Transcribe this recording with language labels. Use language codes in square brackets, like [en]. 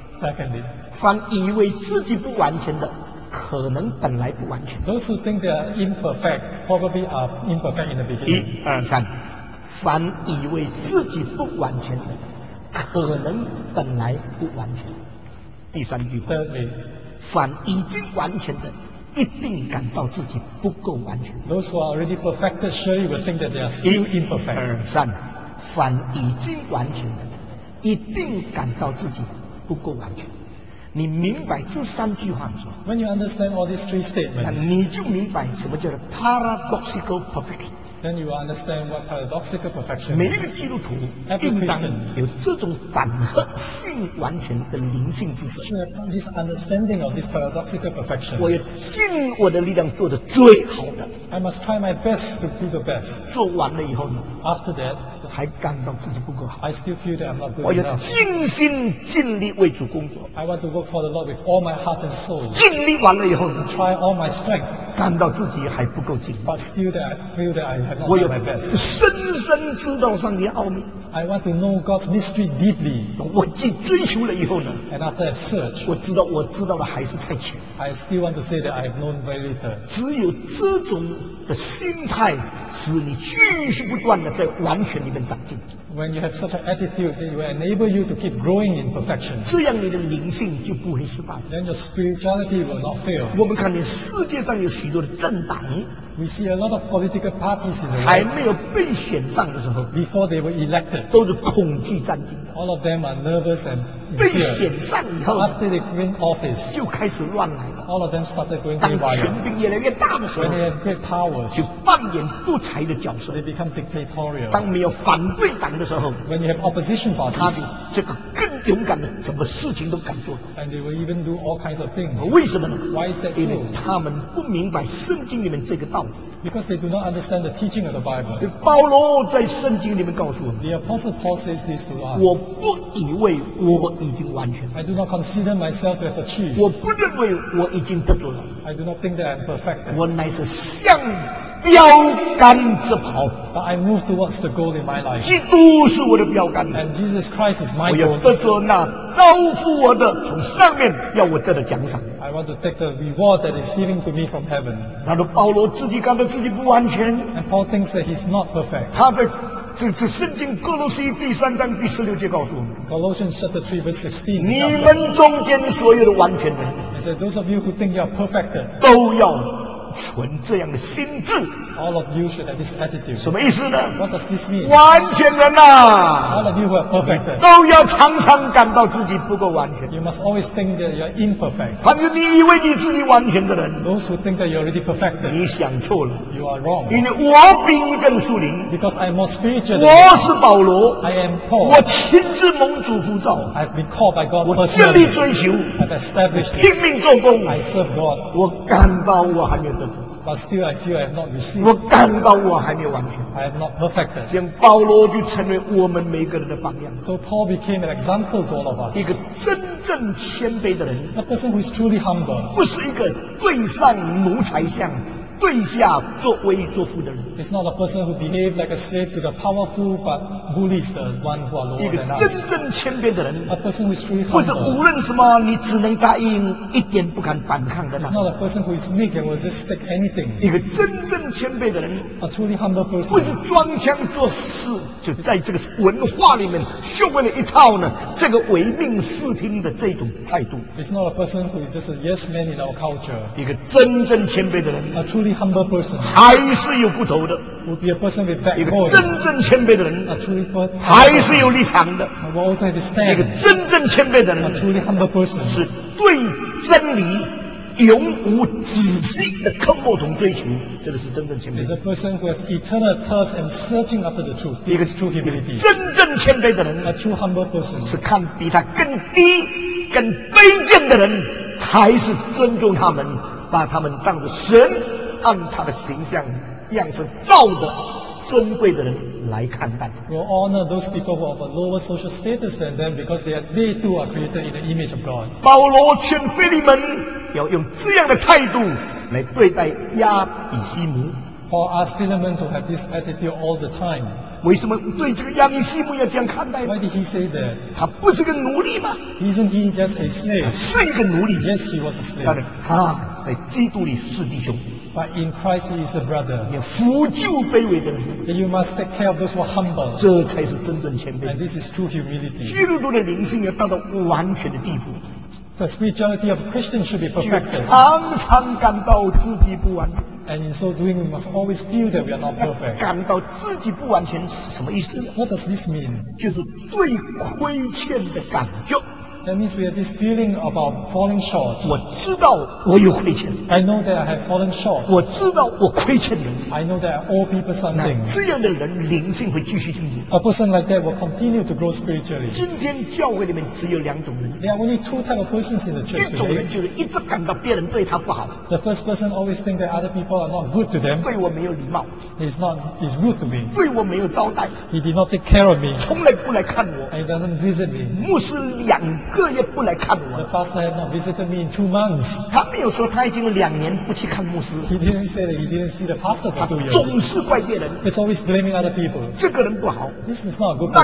[en] ，secondly， [zh] 凡以为自己不完全的，可能本来不完全。 [en] Those who think they are imperfect probably are imperfect in the beginning. [zh] 一二三，凡以为自己不完全的。可能本来不完全。第三句话。 [en] Thirdly, [zh] 凡已经完全的，一定感到自己不够完全。 [en] Those who are already perfected surely will think that they are still imperfect. [zh] 一二三，凡已经完全的，一定感到自己不够完全。你明白这三句话吗 [en] ？When you understand all these three statements, [zh] 你就明白什么叫做 [en] paradoxical perfection。 Then you understand what paradoxical perfection is. [zh] 每一个基督徒应当有这种反合性完全的灵性知识。 [en] So this understanding of this paradoxical perfection. [zh] 我要尽我的力量做得最好的。 [en] I must try my best to do the best. [zh] 做完了以后呢 [en] ？After that, [zh] 还感到自己不够好。 [en] I still feel that I'm not good enough. [zh] 我要尽心尽力为主工作。 [en] I want to work for the Lord with all my heart and soul. [zh] 尽力完了以后呢 [en] ？Try all my strength. [zh] 感到自己还不够尽力。 [en] But still that I feel that I [zh] 我有深深知道上帝奥秘。 [en] I want to know God's mystery deeply. [zh] 我既追求了以后呢 [en] ？And after I search, [zh] 我知道的还是太浅。 [en] I still want to say that I've known very little. [zh] 只有这种的心态，使你继续不断的在完全里面长进。 [en] When you have such an attitude, it will enable you to keep growing in perfection. [zh] 这样你的灵性就不会失败。 [en] Then your spirituality will not fail. [zh] 我们看见世界上有许多的政党。 [en] We see a lot of political parties in the world. [zh] 还没有被选上的时候 [en] ，before they were elected， [zh] 都是恐惧战兢的。 [en] All of them are nervous and fear. [zh] 被选上以后 [en] ，after they win office， [zh] 就开始乱来了。 [en] All of them started going haywire. [zh] 当权柄越来越大的时候 [en] ，when they have great powers， [zh] 就扮演独裁的角色。 [en] They become dictatorial. [zh] 当没有反对党的时候 [en] ，when you have opposition parties， [zh] 他们这个更勇敢的，什么事情都敢做。 [en] And they will even do all kinds of things. [zh] 为什么呢 [en] ？Why is that so？ [zh] 因为他们不明白圣经里面这个道理。 [en] Because they do not understand the teaching of the Bible. [zh] 保罗在圣经里面告诉我们 [en] ，The Apostle Paul says this to us. [zh] 我不以为我已经完全。 [en] I do not consider myself as achieved. [zh] 我不认为我已经得着了。 [en] I do not think that I am perfect. [zh] 我乃是向标杆之跑。 [en] But I move towards the goal in my life. [zh] 基督是我的标杆。 [en] And Jesus Christ is my goal. [zh] 我要得着那招呼我的从上面要我得的奖赏。 [en] I want to take the reward that is given to me from heaven. [zh] 然后保罗自己感到自己不完全。 [en] And Paul thinks that he's not perfect. [zh] 他的这圣经哥罗西第三章第十六节告诉我们。 [en] Colossians chapter 3 verse 16. [zh] 你们中间所有的完全人。 [en] He said, those of you who think you are perfect. [zh] 都要存这样的心智。 [en] All of you should have this attitude. [zh] 什么意思呢 [en] ？What does this mean? [zh] 完全人呐、 [en] 啊、！All of you who are perfect, [zh] 都要常常感到自己不够完全。 [en] You must always think that you are imperfect. [zh] 反正你以为你自己完全的人 [en] ，Those who think that you are already perfect, [zh] 你想错了。 [en] You are wrong. [zh] 因为我比你更属灵。 [en] Because I am more spiritual. [zh] 我是保罗。 [en] I am Paul. [zh] 我亲自蒙主呼召。 [en] I've been called by God. [zh] 我尽力追求。 [en] I've established. [zh] 拼命做工。 [en] I serve God. [zh] 我感到我还没有得。 [en] But still, I feel I have not received. [zh] 我感到我还没有完全。 [en] I have not perfected. [zh] 这样保罗就成为我们每个人的榜样。 [en] So Paul became an example to all of us. [zh] 一个真正谦卑的人。 [en] A person who is truly humble. [zh] 不是一个对上奴才相，对下作威作福的人。 [en] It's not a person who behaves like a slave to the powerful, but bullies the one who are lower than us. [zh] 一个真正谦卑的人。 [en] A person who is truly humble. [zh] 或者无论什么，你只能答应，一点不敢反抗的。 [en] It's not a person who is meek and will just take anything. [zh] 一个真正谦卑的人。 [en] A truly humble person. [zh] 不是装腔作势，就在这个文化里面学会了一套呢，这个唯命是听的这种态度。 [en] It's not a person who is just a yes man in our culture. [zh] 一个真正谦卑的人。 [en] A truly humble person， [zh] 还是有不同的。 [en] Would be a person with that voice， [zh] 一个真正谦卑的人。 [en] A truly humble person， [zh] 还是有立场的。 [en] I will also understand， [zh] 一个真正谦卑的人。 [en] A truly humble person， [zh] 是对真理永无止境的刻薄同追求，这个是真正谦卑。 [en] Is a person who has eternal thirst and searching after the truth， [zh] 一个 [en] 是 true humility， [zh] 真正谦卑的人。 [en] A true humble person， [zh] 是看比他更低、更卑贱的人，还是尊重他们，把他们当作神，按他的形象样式造的尊贵的人来看待。 [en] We'll honor those people who have a lower social status than them because they too are created in the image of God. [zh] 保罗劝腓利门要用这样的态度来对待亚比西姆。 [en] Paul asked Philemon to have this attitude all the time. [zh] 为什么对这个亚比西姆要这样看待？ [en] Why did he say that? [zh] 他不是个奴隶吗？ [en] Isn't he just a slave? [zh] 是一个奴隶。 [en] Yes, he was a slave. [zh] 但是他在基督里是弟兄。 [en] But in Christ he is a brother. [zh] 你要扶救卑微的人。 [en] Then you must take care of those who are humble. [zh] 这才是真正谦卑。 [en] And this is true humility. [zh] 基督徒的灵性要达到完全的地步。 [en] The spirituality of a Christian should be perfected. [zh] 就常常感到自己不完全。 [en] And in so doing, we must always feel that we are not perfect. [zh] 感到自己不完全是什么意思？ [en] What does this mean? [zh] 就是对亏欠的感觉。 [en] That means we have this feeling about falling short. [zh] 我知道我有亏欠。 [en] I know that I have fallen short. [zh] 我知道我亏欠人。 [en] I know that I owe people something. [zh] 这样的人灵性会继续进步。 [en] A person like that will continue to grow spiritually. [zh] 今天教会里面只有两种人。 [en] There are only two types of persons in the church today. [zh] 一种人就是一直感到别人对他不好。 [en] The first person always thinks that other people are not good to them. [zh] 对我没有礼貌。 [en] He's rude to me. [zh] 对我没有招待。 [en] He did not take care of me. [zh] 从来不来看我。 [en] And he doesn't visit me. [zh] 牧师两个月不来看我。 [en] The pastor had not visited me in 2 months. [zh] 他没有说他已经两年不去看牧师。 [en] He didn't say that he didn't see the pastor for 2 years. [zh] 总是怪别人。 [en] He's always blaming other people. [zh] 这个人不好。 [en] This is not a good person.